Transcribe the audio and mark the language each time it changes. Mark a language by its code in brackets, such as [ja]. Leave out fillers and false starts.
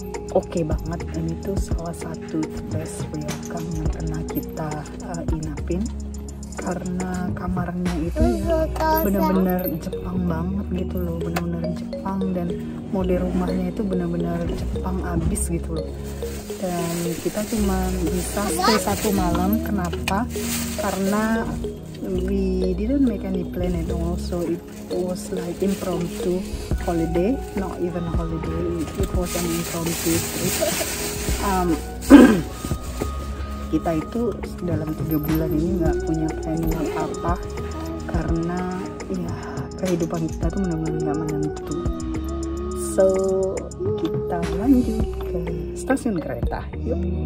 [id] Oke banget, dan itu salah satu best welcome yang pernah kita inapin. Karena kamarnya itu ya benar-benar Jepang banget gitu loh, benar-benar Jepang, dan mode rumahnya itu benar-benar Jepang abis gitu loh. Dan kita cuma bisa stay satu malam. Kenapa? [en] Karena we didn't make any plan at all, so it was like impromptu holiday, not even holiday, it was an impromptu trip. [id] Kita itu dalam 3 bulan ini gak punya plan apa-apa, karena ya kehidupan kita tuh benar-benar gak menentu. So kita lanjut ke stasiun kereta, yuk.